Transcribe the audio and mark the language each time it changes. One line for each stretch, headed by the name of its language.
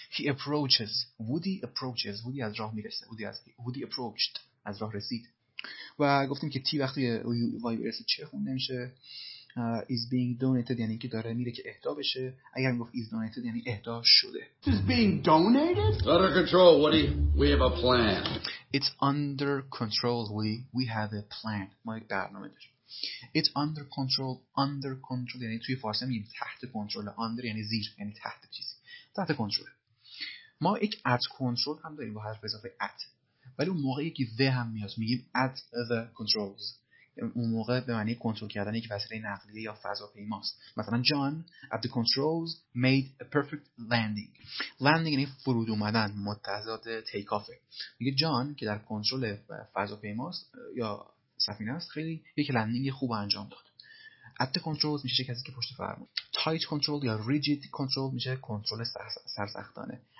English: He approaches
Persian: بودی از راه میرسه، بودی از بودی approached از راه رسید. و گفتیم که تی وقتی وای برسه چه خونده میشه.
English: Is being donated
Persian: یعنی که داره میره که اهدا بشه. اگر میگفت is donated یعنی اهدا شده.
English: Is being donated? Under control, Woody. We have a plan. It's under control, Woody. We have a plan.
Persian: ما یک برنامه داریم.
English: It's under control.
Persian: Under control یعنی توی فارسی میگیم تحت کنترل. Under یعنی زیر، یعنی تحت چیزی. تحت کنترل. ما یک at control هم داریم با حرف اضافه at. ولی اون موقع یکی the هم میاد، میگیم at the controls. اون موقع به معنی کنترل کردن یک وسیله نقلیه یا فضاپیماست.
English: مثلا John at the controls made a perfect landing.
Persian: landing یعنی فرود اومدن، متضاد take off. میگه جان که در کنترل فضاپیماست یا سفینه است، خیلی یک لندینگ خوب انجام داد.
English: at the controls
Persian: میشه کسی که پشت فرمان.
English: tight control
Persian: یا
English: rigid control
Persian: میشه کنترل سرسختانه.